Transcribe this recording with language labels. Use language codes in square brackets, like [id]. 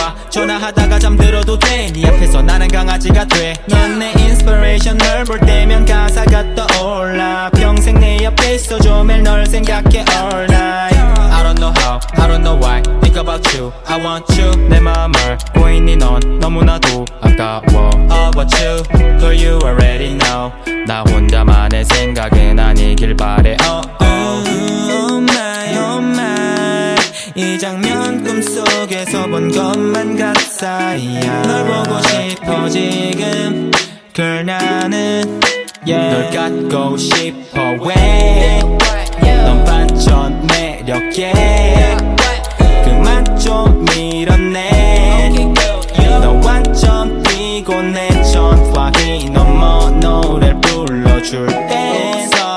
[ko] 전화하다가 잠들어도 돼 네 앞에서 나는 강아지가 돼 넌 내 inspiration을 볼 때면 가사가 떠올라 평생 내 옆에 있어줘 매일 널 생각해 [en] all night I don't know how, I don't know why Think about you, I want you [ko] 내 마음을 보이니 넌 너무나도 아까워 [en] About you, girl you already know [ko] 나 혼자만의 생각은 아니길 바래 [en] Oh, oh. oh my, oh my [ko] 이 장면 꿈속에서 본 것만 같사야 널 보고 싶어 지금 Girl 나는 yeah. 널 갖고 싶어 왜 넌 반전 매력에 그만 좀 밀어내 너 완전 피곤해 전화기 넘어 노래를 불러줄 때